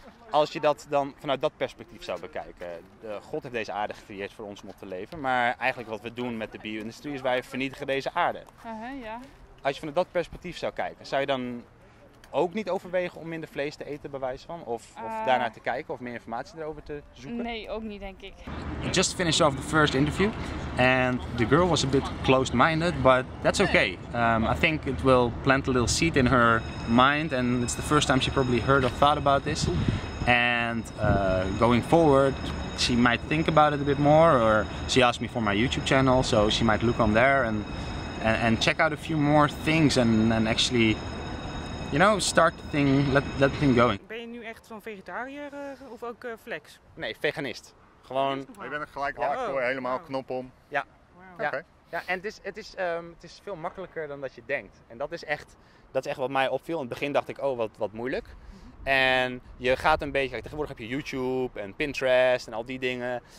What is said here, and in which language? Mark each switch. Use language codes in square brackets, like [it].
[nl] als je dat dan vanuit dat perspectief zou bekijken. God heeft deze aarde gecreëerd voor ons om op te leven. Maar eigenlijk wat we doen met de bio-industrie is wij vernietigen deze aarde. Ja. Als je vanuit dat perspectief zou kijken, zou je dan ook niet overwegen om minder vlees te eten, bewijs van? Of daarnaar te kijken of meer informatie erover te zoeken? Nee, ook niet, denk ik. [en] I just finished off the first interview and the girl was a bit closed-minded, but that's okay. I think it will plant a little seed in her mind and it's the first time she probably heard or thought about this. And going forward, she might think about it a bit more, or she asked me for my YouTube channel, so she might look on there and check out a few more things and actually, you know, start the thing, let the thing going. [nl] Ben je nu echt van vegetariër of ook flex? Nee, veganist. Gewoon. Je bent gelijk hard voor, helemaal knop om. Ja. Wow. Ja. Okay. Ja, en het is veel makkelijker dan dat je denkt. En dat is echt wat mij opviel. In het begin dacht ik, oh, wat moeilijk. En je gaat een beetje, tegenwoordig heb je YouTube en Pinterest en al die dingen.